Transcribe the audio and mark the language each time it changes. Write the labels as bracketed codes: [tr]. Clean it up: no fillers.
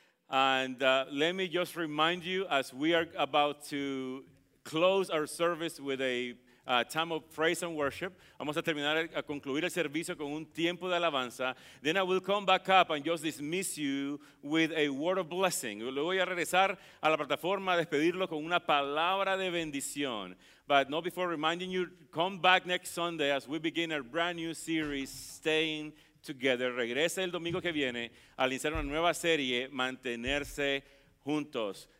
[en] And let me just remind you, as we are about to close our service with a time of praise and worship, [es] vamos a terminar a concluir el servicio con un tiempo de alabanza. [en] Then I will come back up and just dismiss you with a word of blessing. [es] Luego voy a regresar a la plataforma a despedirlo con una palabra de bendición. [en] But not before reminding you, come back next Sunday as we begin our brand new series, Staying Together. [es] Regresa el domingo que viene al iniciar una nueva serie, Mantenerse Juntos.